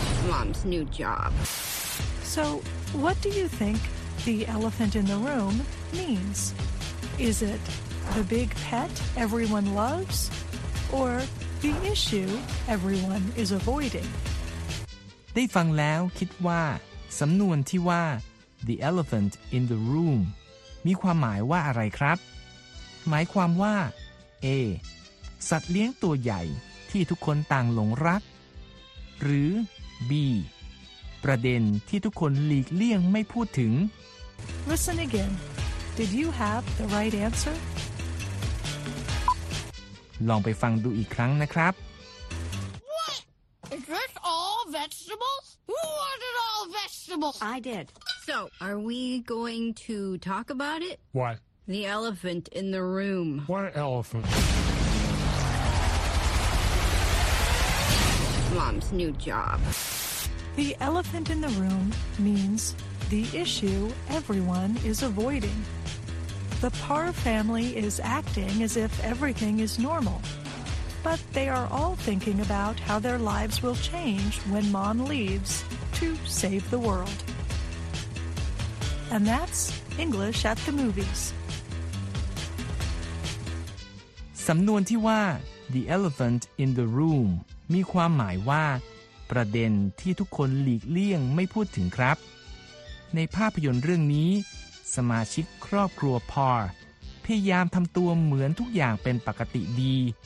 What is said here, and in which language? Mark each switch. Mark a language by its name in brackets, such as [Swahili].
[English] Mom's new job. So, what do you think the elephant in the room means? Is it the big pet everyone loves? Or the issue everyone is avoiding? [Thai] ได้ฟังแล้วคิดว่าสำนวนที่ว่า [English] the elephant in the room [Thai] มีความหมายว่าอะไรครับหมายความว่า A สัตว์เลี้ยงตัวใหญ่ที่ทุกคนต่างหลงรักหรือ B ประเด็นที่ทุกคนหลีกเลี่ยงไม่พูดถึง [English] Listen again. Did you have the right answer? [Thai] ลองไปฟังดูอีกครั้งนะครับ [English] I did. So, are we going to talk about it? What? The elephant in the room. What elephant? Mom's new job. The elephant in the room means the issue everyone is avoiding. The Parr family is acting as if everything is normal. But they are all thinking about how their lives will change when Mom leaves to save the world. And that's English at the movies. [Thai] สำนวนที่ว่า [English] the elephant in the room [Thai] มีความหมายว่าประเด็นที่ทุกคนหลีกเลี่ยงไม่พูดถึงครับในภาพยนตร์เรื่องนี้สมาชิกครอบครัวพาร์พยายามทำตัวเหมือนทุกอย่างเป็นปกติดี